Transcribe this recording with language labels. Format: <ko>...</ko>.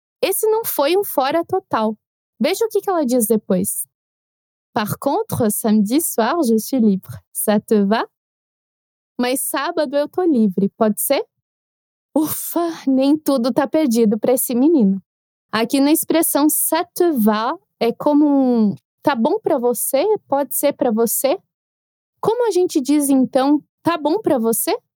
<pt>Esse não foi um fora total. Veja o que ela diz depois.</pt> <fr>Par contre, samedi soir, je suis libre. Ça te va?</fr> <pt>Mas sábado eu tô livre, pode ser? Ufa, nem tudo tá perdido pra esse menino. Aqui na expressão</pt> <fr>ça te va</fr> <pt>é como um... Tá bom pra você? Pode ser pra você? Como a gente diz, então, tá bom pra você?</pt>